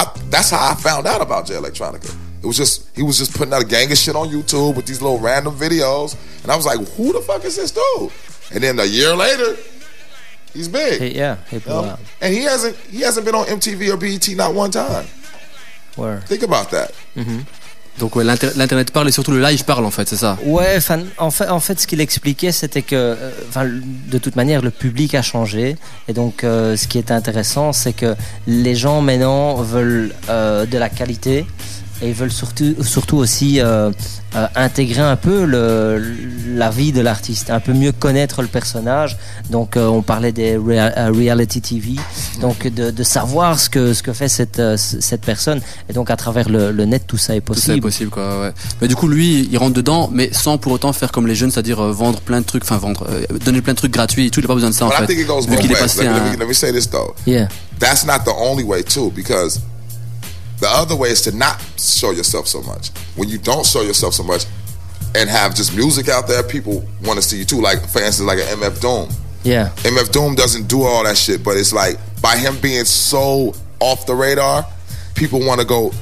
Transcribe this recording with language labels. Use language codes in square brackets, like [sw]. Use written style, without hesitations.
[en] That's how I found out about Jay Electronica. He was just putting out a gang of shit on YouTube with these little random videos. And I was like, who the fuck is this dude? And then a year later, he's big. He blew out. And he hasn't been on MTV or BET not one time. Where? Think about that. Mm-hmm. [fr] Donc ouais, l'internet parle, et surtout le live parle, en fait, c'est ça. Ouais, en fait ce qu'il expliquait, c'était que de toute manière le public a changé, et donc ce qui est intéressant, c'est que les gens maintenant veulent de la qualité. Et ils veulent surtout aussi intégrer un peu la vie de l'artiste, un peu mieux connaître le personnage. Donc, on parlait des reality TV, donc de savoir ce que fait cette personne. Et donc, à travers le net, tout ça est possible. Tout ça est possible, quoi. Ouais. Mais du coup, lui, il rentre dedans, mais sans pour autant faire comme les jeunes, c'est-à-dire vendre plein de trucs, enfin vendre, donner plein de trucs gratuits. Et tout, il n'a pas besoin de ça, en fait. Vu qu'il est passé. [en] Let me say this though. Yeah. That's not the only way too, because the other way is to not show yourself so much. When you don't show yourself so much and have just music out there, people want to see you too. Like, for instance, like an MF Doom. Yeah. MF Doom doesn't do all that shit, but it's like, by him being so off the radar, people want to go...